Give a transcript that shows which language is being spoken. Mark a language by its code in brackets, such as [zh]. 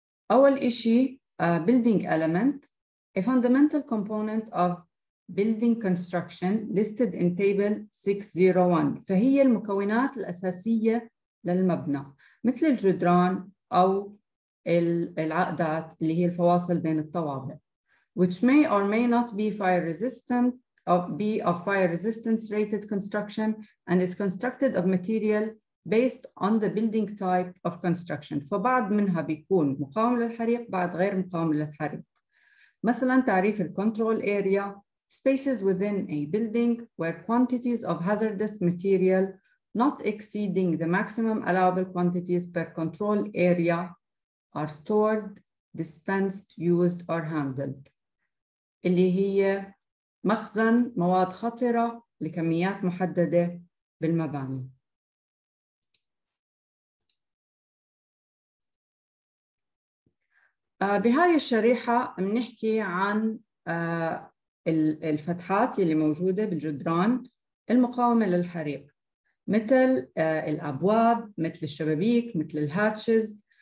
[ar] أول إشي [en] building element، a fundamental component of building construction listed in table 601. [ar] فهي المكونات الأساسية للمبنى مثل الجدران أو العقدات اللي هي الفواصل بين الطوابق. [en] Which may or may not be fire resistant of be of fire resistance rated construction and is constructed of material based on the building type of construction. [ar] فبعض منها بيكون مقاوم للحريق، بعض غير مقاوم للحريق. مثلا تعريف الكنترول اريا، [en] spaces within a building where quantities of hazardous material not exceeding the maximum allowable quantities per control area are stored, dispensed, used or handled. [ar] اللي هي مخزن مواد خطرة لكميات محددة بالمباني. بهاي الشريحة بنحكي عن الفتحات اللي موجودة بالجدران المقاومة للحريق، مثل الأبواب، مثل الشبابيك، مثل الهاتشز.